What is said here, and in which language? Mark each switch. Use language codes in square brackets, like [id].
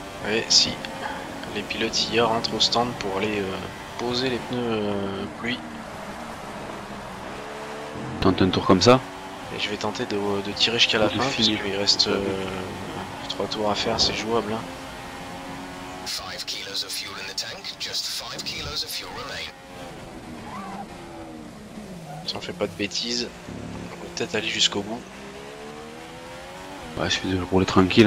[fr] Et si les pilotes IA rentrent au stand pour aller poser les pneus pluie, tente un tour comme ça. Et je vais tenter de tirer jusqu'à la fin, puisqu'il reste 3 tours à faire, c'est jouable. Hein. [en] 5 kilos of fuel in the tank, just 5 kilos of fuel remain. [fr] Si on fait pas de bêtises, on peut peut-être aller jusqu'au bout. Bah, je vais rouler tranquille.